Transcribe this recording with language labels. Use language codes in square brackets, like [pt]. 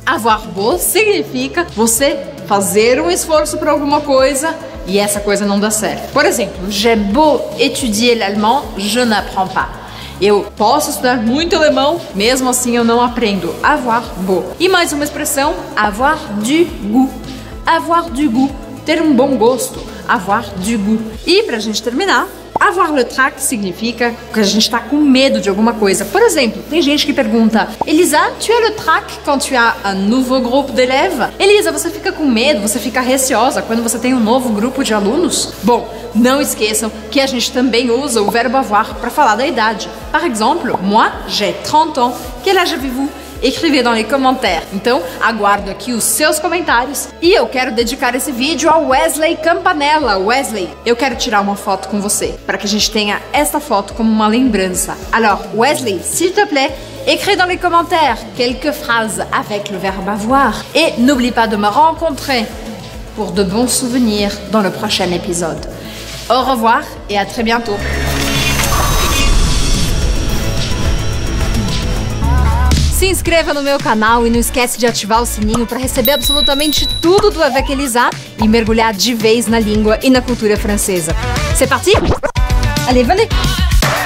[pt] Avoir beau significa você fazer um esforço para alguma coisa e essa coisa não dá certo. Por exemplo, [fr] j'ai beau étudier l'allemand, je n'apprends pas. [pt] Eu posso estudar muito alemão, mesmo assim eu não aprendo. Avoir beau. E mais uma expressão, avoir du goût. Avoir du goût, ter um bom gosto. Avoir du goût. E pra gente terminar, Avoir le trac significa que a gente está com medo de alguma coisa. Por exemplo, tem gente que pergunta: [fr] Elisa, tu as le trac quand tu as un nouveau groupe d'élèves? [pt] Elisa, você fica com medo, você fica receosa quando você tem um novo grupo de alunos? Bom, não esqueçam que a gente também usa o verbo avoir para falar da idade. [fr] Par exemple, moi j'ai 30 ans, quel âge avez-vous? Écrivez dans les commentaires. [pt] Então, aguardo aqui os seus comentários. E eu quero dedicar esse vídeo ao Wesley Campanella. Wesley, eu quero tirar uma foto com você, para que a gente tenha esta foto como uma lembrança. [fr] Alors, Wesley, s'il te plaît, écris dans les commentaires quelques phrases avec le verbe avoir. Et n'oublie pas de me rencontrer pour de bons souvenirs dans le prochain épisode. Au revoir et à très bientôt. [pt] Se inscreva no meu canal e não esquece de ativar o sininho para receber absolutamente tudo do Avec Elisa e mergulhar de vez na língua e na cultura francesa. [fr] C'est parti? Allez, venez!